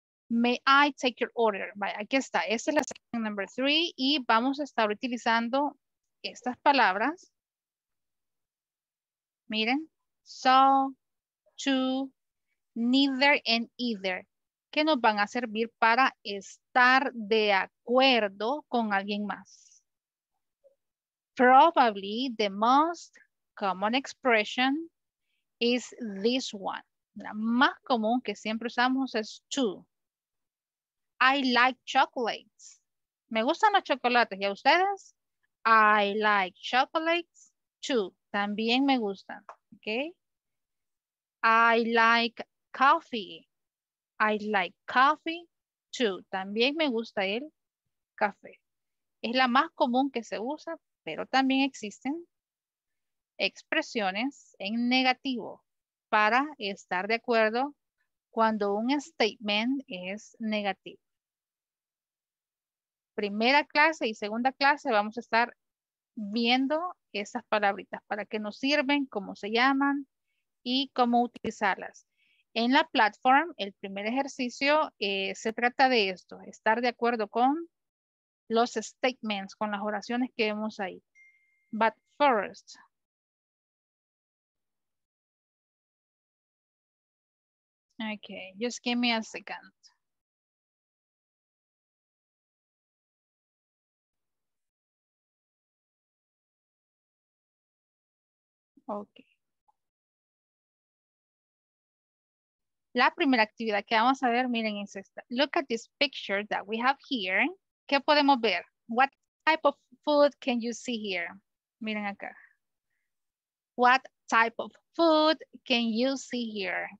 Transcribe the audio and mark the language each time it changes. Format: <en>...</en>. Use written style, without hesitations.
<en>May I take your order?</en> <es>Vaya, aquí está. Esta es la sección number 3 y vamos a estar utilizando estas palabras. Miren.</es> <en>So, to, neither, and either.</en> <es>Que nos van a servir para estar de acuerdo con alguien más.</es> <en>Probably the most common expression is this one.</en> <es>La más común que siempre usamos es to.</es> <en>I like chocolates.</en> <es>Me gustan los chocolates. ¿Y a ustedes?</es> <en>I like chocolates too.</en> <es>También me gustan.</es> <en>Okay. I like coffee. I like coffee too.</en> <es>También me gusta el café. Es la más común que se usa, pero también existen expresiones en negativo para estar de acuerdo cuando un statement es negativo. Primera clase y segunda clase vamos a estar viendo esas palabritas, para qué nos sirven, cómo se llaman y cómo utilizarlas. En la plataforma, el primer ejercicio se trata de esto, estar de acuerdo con los statements, con las oraciones que vemos ahí.</es> <en>But first, okay, just give me a second.</en> <es>Okay. La primera actividad que vamos a ver, miren, es esta.</es> <en>Look at this picture that we have here.</en> <es>¿Qué podemos ver?</es> <en>What type of food can you see here?</en> <es>Miren acá.</es> <en>What type of food can you see here?</en>